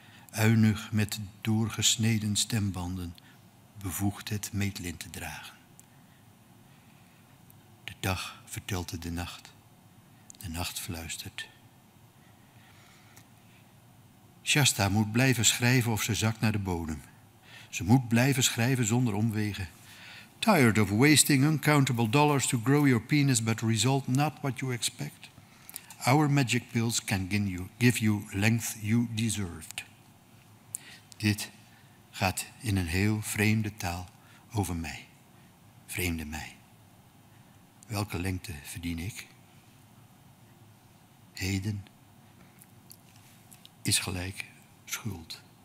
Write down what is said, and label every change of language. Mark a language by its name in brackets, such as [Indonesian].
[Dutch] Uinig met doorgesneden stembanden bevoegd het meetlint te dragen. De dag vertelde de nacht. De nacht fluistert. Shasta moet blijven schrijven of ze zakt naar de bodem. Ze moet blijven schrijven zonder omwegen. [English] Tired of wasting uncountable dollars to grow your penis, but result not what you expect. Our magic pills can give you length you deserved. [Dutch] Dit gaat in een heel vreemde taal over mij. Vreemde mij. Welke lengte verdien ik? Heden is gelijk schuld.